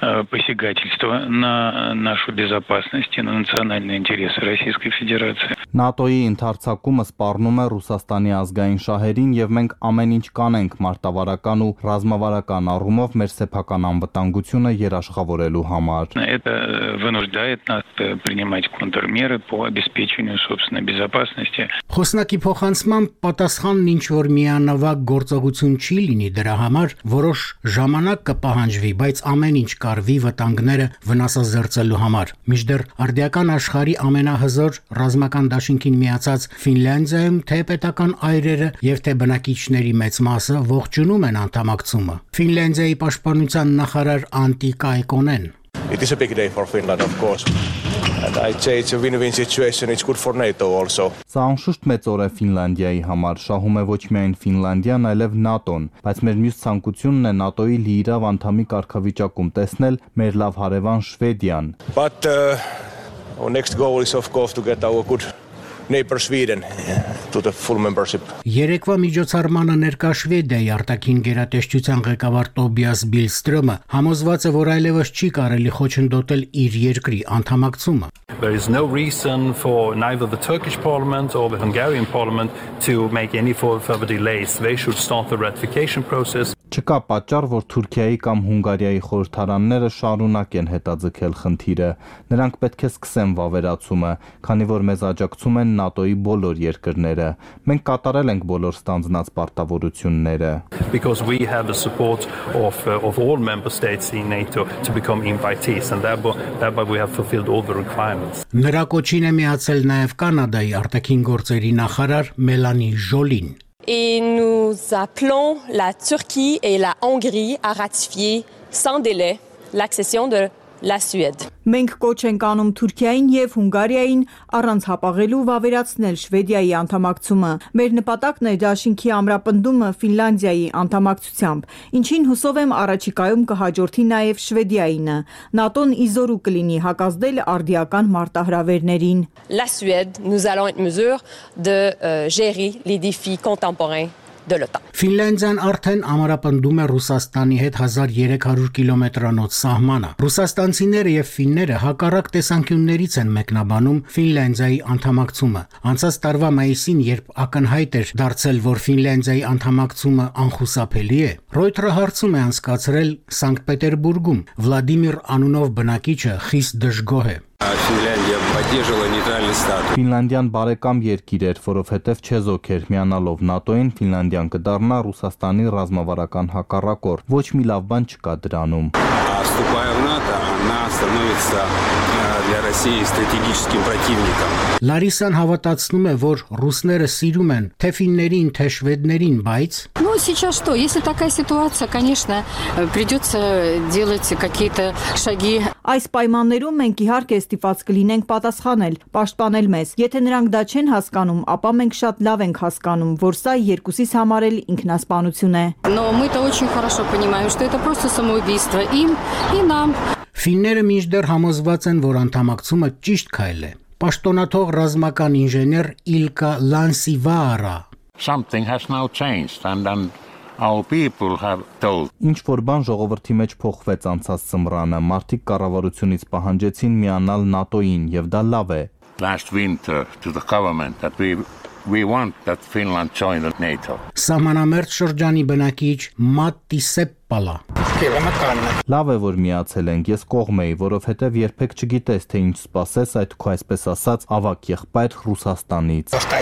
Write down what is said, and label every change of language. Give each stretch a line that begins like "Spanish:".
Russian: Посягательство на нашу безопасность и на национальные интересы Российской Федерации.
Armenian: ՆԱՏՕ-ի ընդարձակումը սպառնում է Ռուսաստանի ազգային շահերին, և մենք ամեն ինչ կանենք մարտավարական ու ռազմավարական առումով մեր սեփական անվտանգությունը երաշխավորելու համար.
Russian: Это вынуждает нас принимать контрмеры по обеспечению собственной безопасности.
Armenian: Խոսնակի փոխանցման պատասխանն ինչ որ միանավակ գործողություն չի լինի դրա համար, որոշ ժամանակ կպահանջվի, բայց ամեն ինչ կարվի վտանգները վնասազերծելու համար։ Միջդեռ արդիական աշխարի ամենահզոր ռազմական դաշինքին միացած Ֆինլանդիայում թե պետական այրերը եւ թե բնակիչների մեծ մասը ողջունում են անդամակցումը։ Ֆինլանդիայի պաշտպանության նախարար Անտի Կայկոնեն.
English: It is a big day for Finland, of course. And I'd say it's a win-win situation. It's good for NATO also.
Armenian: Սա անշուշտ մեծ օր է Ֆինլանդիայի համար, շահում է ոչ միայն Ֆինլանդիան, այլև ՆԱՏՕ-ն, բայց մեր մյուս ցանկությունն է ՆԱՏՕ-ի լիիրավ անդամի կարգավիճակում տեսնել մեր լավ հարևան Շվեդիան.
English: But our next goal is of course to get our good neighbor Sweden to the full membership.
Armenian: Երեկվա միջոցառմանը ներկա Շվեդիայի արտաքին գերատեսչության ղեկավար Տոբիաս Բիլստրոմը համոզված է, որ այլևս չի կարելի խոչընդոտել իր երկրի անդամակցումը.
English: There is no reason for neither the Turkish parliament or the Hungarian parliament to make any further delays. They should start the ratification process.
Armenian: Չկա պատճառ, որ Թուրքիայի կամ Հունգարիայի խորհրդարանները շարունակեն հետաձգել խնդիրը։ Նրանք պետք է սկսեն վավերացումը, քանի որ մեզ աջակցում են ՆԱՏՕ-ի բոլոր երկրները։ Մենք կատարել ենք բոլոր ստանձնած պարտավորությունները։
English: Because we have the support of all member states in NATO to become invitees and thereby we have fulfilled all the requirements.
Armenian: Նրա կոչին է միացել նաև Կանադայի արտաքին գործերի նախարար Մելանի Ժոլին։
French: Et nous appelons la Turquie et la Hongrie à ratifier sans délai l'accession de la Suède.
Armenian: Մենք կոչ ենք անում Թուրքիային եւ Հունգարիային առանց հապաղելու վավերացնել Շվեդիայի անդամակցումը։ Մեր նպատակն է Դաշինքի ամրապնդումը Ֆինլանդիայի անդամակցությամբ, ինչին հուսով եմ առաջիկայում կհաջորդի նաեւ Շվեդիայինը։ ՆԱՏՕ-ն իզորու կլինի հակազդել արդիական մարտահրավերներին։
French: La Suède, nous allons être mesure de gérer les défis contemporains.
Armenian: Ֆինլանդիան արդեն ամրապնդում է Ռուսաստանի հետ 1300 կիլոմետրանոց սահմանը։ Ռուսաստանցիները եւ ֆինները հակառակ տեսանկյուններից են մեկնաբանում Ֆինլանդիայի անդամակցումը։ Անցած տարվա մայիսին, երբ ակնհայտ էր դարձել, որ Ֆինլանդիայի անդամակցումը անխուսափելի է, Ռոյթրը հարցում է անցկացրել Սանկտ Պետերբուրգում Վլադիմիր Անունով բնակիչը, խիստ դժգոհ է։ Ֆինլանդիան բարեկամ երկիր էր, որովհետև չեզոք էր միանալով ՆԱՏՕ-ին, Ֆինլանդիան կդառնա Ռուսաստանի ռազմավարական հակառակորդ։ Ոչ մի լավ բան չկա դրանում։ Լարիսան հավատացնում է, որ ռուսները սիրում են թե ֆիններին, թե շվեդներին, բայց
Russian: Ну сейчас что, если такая ситуация, конечно, придётся делать какие-то шаги.
Armenian: Այս պայմաններում մենք իհարկե ստիպված կլինենք պատասխանել, պաշտպանել մեզ։ Եթե նրանք դա չեն հասկանում, ապա մենք շատ լավ ենք հասկանում, որ սա երկուսից համար էլ ինքնասպանություն է։
Russian: Но мы-то очень хорошо понимаем, что это просто самоубийство им и нам.
Armenian: Ֆինները միջդեռ համոզված են, որ անդամակցումը ճիշտ քայլ է։ Պաշտոնաթող ռազմական ինժեներ Իլկա Լանսիվարա.
English: Something has now changed and our people have told.
Armenian: Ինչ որ բան ժողովրդի մեջ փոխվեց անցած ձմռանը, մարդիկ կառավարությունից պահանջեցին միանալ ՆԱՏՕ-ին, եւ դա լավ է.
English: Last winter to the government that we want that Finland join the NATO.
Armenian: Սահմանամերձ շրջանի բնակիչ Մատտի Սեպպալա. Լավ է, որ միացել ենք, ես կողմ էի, որովհետև երբեք չգիտես, թե ինչ սպասես այդ քո այսպես ասած ավակ եղբայր Ռուսաստանից։